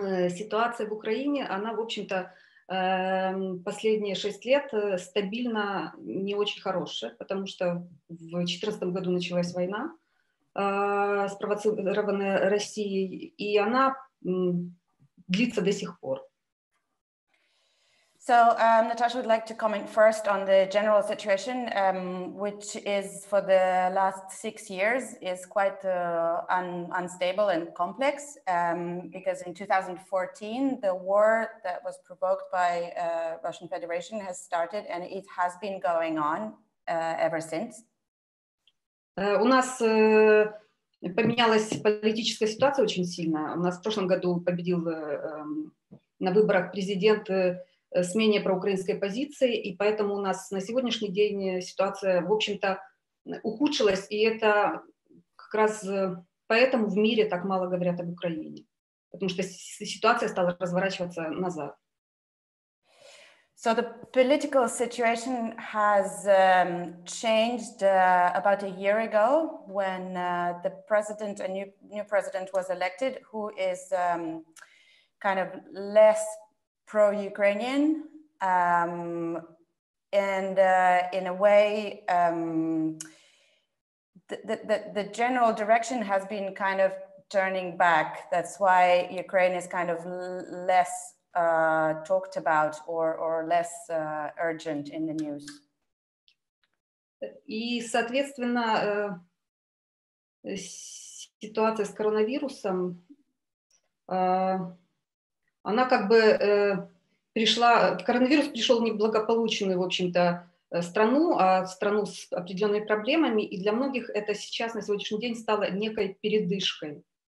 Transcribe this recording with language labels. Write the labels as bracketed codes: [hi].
[ru] Ситуация в Украине, она, в общем-то, последние 6 лет стабильно не очень хорошая, потому что в 2014 году началась война, спровоцированная Россией, и она длится до сих пор. [en] So Natasha would like to comment first on the general situation, which is for the last 6 years is quite unstable and complex, because in 2014, the war that was provoked by Russian Federation has started, and it has been going on ever since. [ru] У нас поменялась политическая ситуация очень сильно. У нас в прошлом году победил на выборах президент с менее проукраинской позиции, и поэтому у нас на сегодняшний день ситуация, в общем-то, ухудшилась, и это как раз поэтому в мире так мало говорят об Украине, потому что ситуация стала разворачиваться назад. [en] So the political situation has changed about a year ago when the president, a new president was elected, who is kind of less pro-Ukrainian, in a way, the general direction has been kind of turning back. That's why Ukraine is kind of less talked about or less urgent in the news. [ru] И, соответственно, ситуация с коронавирусом, она как бы пришла, коронавирус пришел не в благополучную, в общем-то, страну, а в страну с определенными проблемами, и для многих это сейчас, на сегодняшний день, стало некой передышкой.